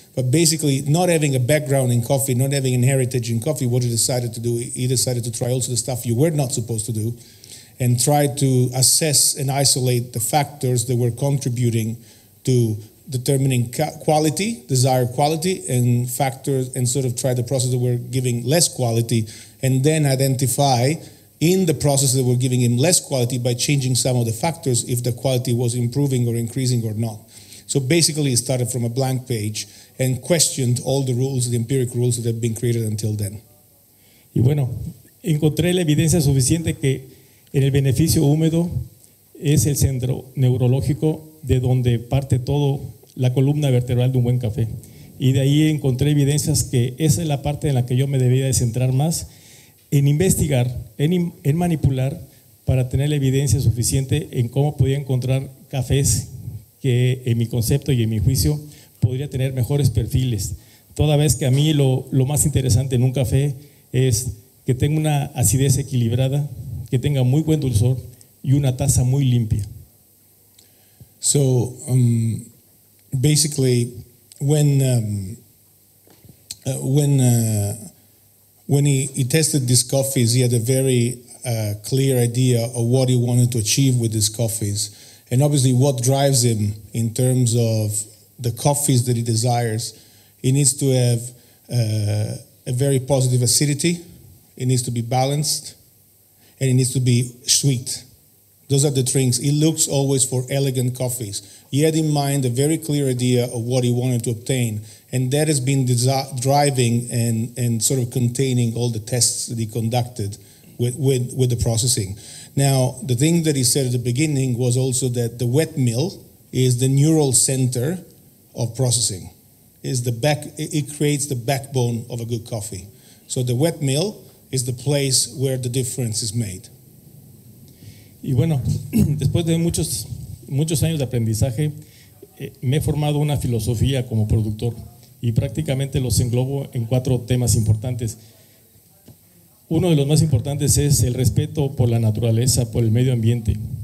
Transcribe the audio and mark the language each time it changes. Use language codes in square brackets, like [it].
[en] But basically, not having a background in coffee, not having an heritage in coffee, what he decided to do, he decided to try also the stuff you were not supposed to do and try to assess and isolate the factors that were contributing to determining quality, desired quality, and factors, and sort of try the process that were giving less quality, and then identify in the process that were giving him less quality by changing some of the factors if the quality was improving or increasing or not. So basically, he started from a blank page and questioned all the rules, the empiric rules that had been created until then. [es] Y bueno, encontré la evidencia suficiente que en el beneficio húmedo es el centro neurológico de donde parte todo la columna vertebral de un buen café. Y de ahí encontré evidencias que esa es la parte en la que yo me debía de centrar más, en investigar, en manipular, para tener la evidencia suficiente en cómo podía encontrar cafés que en mi concepto y en mi juicio podría tener mejores perfiles. Toda vez que a mí lo más interesante en un café es que tenga una acidez equilibrada, que tenga muy buen dulzor y una taza muy limpia. [en] So, basically, when he tested these coffees, he had a very clear idea of what he wanted to achieve with these coffees. And obviously, what drives him in terms of the coffees that he desires, he needs to have a very positive acidity, it needs to be balanced, and it needs to be sweet. Those are the drinks. He looks always for elegant coffees. He had in mind a very clear idea of what he wanted to obtain, and that has been driving and sort of containing all the tests that he conducted with the processing. Now, the thing that he said at the beginning was also that the wet mill is the neural center of processing. It creates the backbone of a good coffee. So the wet mill is the place where the difference is made. [es] Y bueno, después de muchos años de aprendizaje, me he formado una filosofía como productor y prácticamente los englobo en cuatro temas importantes. Uno de los más importantes es el respeto por la naturaleza, por el medio ambiente.